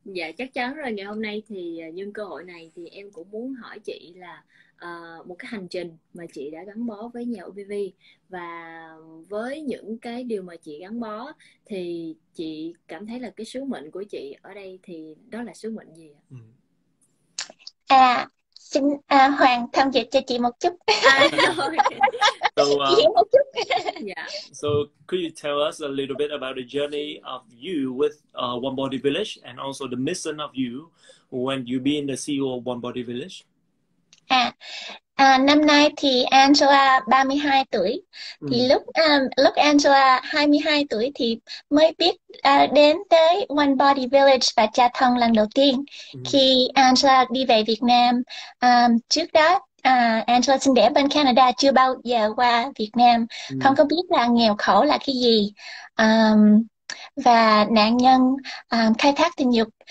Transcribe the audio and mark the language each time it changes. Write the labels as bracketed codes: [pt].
[vi] Dạ chắc chắn rồi, ngày hôm nay thì nhân cơ hội này thì em cũng muốn hỏi chị là một cái hành trình mà chị đã gắn bó với nhà OBV, và với những cái điều mà chị gắn bó thì chị cảm thấy là cái sứ mệnh của chị ở đây thì đó là sứ mệnh gì ạ? Xin Hoàng thông dịch cho chị một chút. Chị hiểu một chút. [en] So could you tell us a little bit about the journey of you with One Body Village and also the mission of you when you being the CEO of One Body Village? [vi] Năm nay thì Angela 32 tuổi. Thì lúc Angela 22 tuổi thì mới biết đến tới One Body Village và Cha Thân lần đầu tiên khi Angela đi về Việt Nam. Trước đó Angela sinh đẻ bên Canada, chưa bao giờ qua Việt Nam, không có biết là nghèo khổ là cái gì, và nạn nhân khai thác tình dục.